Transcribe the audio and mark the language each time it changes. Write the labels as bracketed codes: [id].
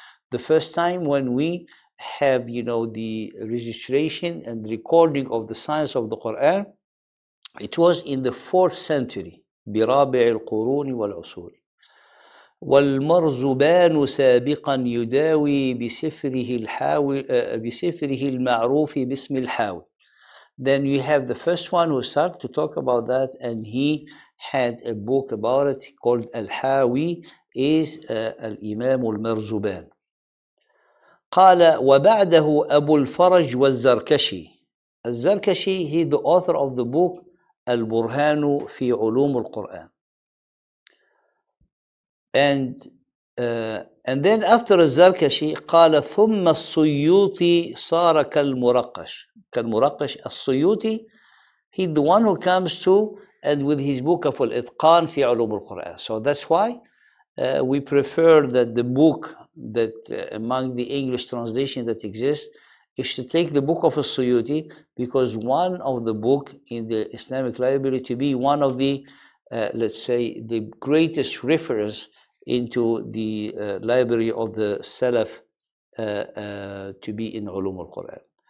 [en] The first time when we have, you know, the registration and recording of the science of the Quran, it was in the 4th century, [ar] بِرَابِعِ الْقُرُونِ وَالْعُصُورِ. والمرزبان سابقا يداوي بسفره الحاوي بسفره المعروف باسم الحاوي. [en] Then you have the first one who started to talk about that, and he had a book about it called Al-Hawi, is Al-Imam Al-Marzuban. [ar] قال وبعده أبو الفرج والزركشي. [en] الزركشي, he the author of the book [ar] البرهان في علوم القرآن. [en] And then after [ar] الزركشي قال ثم السيوطي صار كالمرقش. [en] كالمرقش, السيوطي, he the one who comes to and with his book of [ar] الإتقان في علوم القرآن. [en] So that's why we prefer that the book that among the English translation that exists is to take the book of al-Suyuti, because one of the book in the Islamic library to be one of the, let's say, the greatest reference into the library of the Salaf to be in Ulum al-Quran.